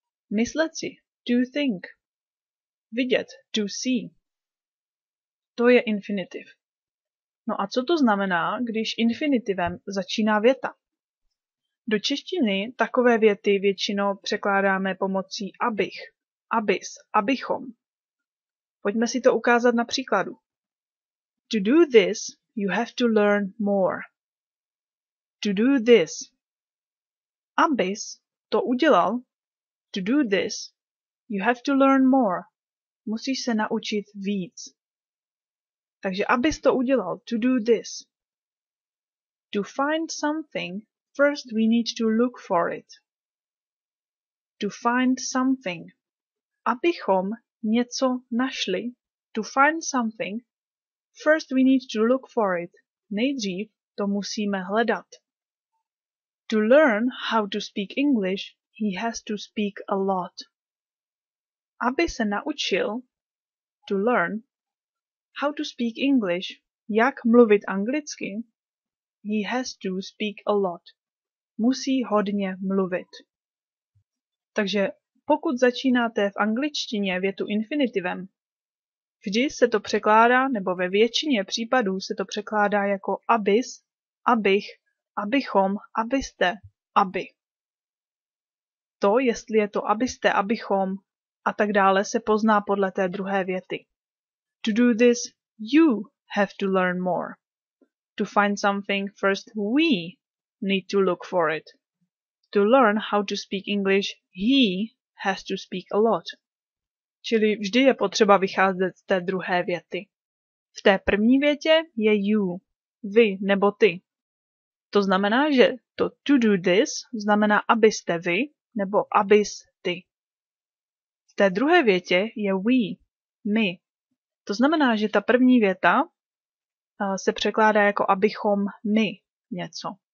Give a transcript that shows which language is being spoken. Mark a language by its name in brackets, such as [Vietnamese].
[Czech] Myslet si, [English] to think, [Czech] vidět, [English] to see. [Czech] To je infinitiv. No a co to znamená, když infinitivem začíná věta? Do češtiny takové věty většinou překládáme pomocí abych, abys, abychom. Pojďme si to ukázat na příkladu. [English] To do this, you have to learn more. To do this. [Czech] Abys to udělal. [English] To do this, you have to learn more. [Czech] Musíš se naučit víc. Takže abys to udělal. [English] To do this. To find something, first we need to look for it. To find something. [Czech] Abychom něco našli. [English] To find something, first we need to look for it. [Czech] Nejdřív to musíme hledat. [English] To learn how to speak English, he has to speak a lot. [Czech] Aby se naučil, [English] to learn, how to speak English, [Czech] jak mluvit anglicky, [English] he has to speak a lot. [Czech] Musí hodně mluvit. Takže pokud začínáte v angličtině větu infinitivem, vždy se to překládá, nebo ve většině případů se to překládá jako abys, abych, abychom, abyste, aby. to, jestli je to abyste, abychom, a tak dále se pozná podle té druhé věty. [English] To do this, you have to learn more. To find something, first we need to look for it. To learn how to speak English, he has to speak a lot. [Czech] Čili vždy je potřeba vycházet z té druhé věty. V té první větě je you, vy nebo ty. To znamená, že to [English] to do this [Czech] znamená abyste vy nebo abys ty. V té druhé větě je we, my. To znamená, že ta první věta se překládá jako abychom my něco.